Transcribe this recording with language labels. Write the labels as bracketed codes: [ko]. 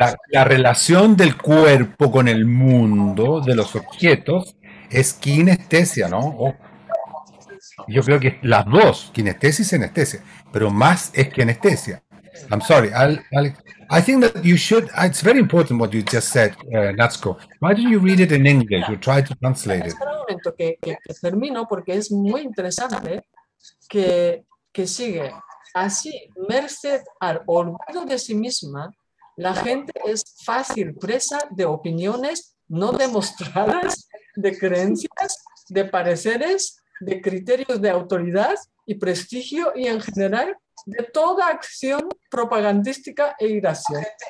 [es] La relación del cuerpo con el mundo, de los objetos, es kinestesia, ¿no? Yo creo que las dos, kinestesia y sinestesia, pero más es kinestesia. [en] I'm sorry, Alex. I think that you should, it's very important what you just said, Natsuko. Why don't you read it in English or try to translate it? [es] Espera un momento que termino porque es muy interesante que sigue. Así, merced al olvido de sí misma, la gente es fácil presa de opiniones no demostradas, de creencias, de pareceres, de criterios de autoridad y prestigio y en general de toda acción propagandística e irracional.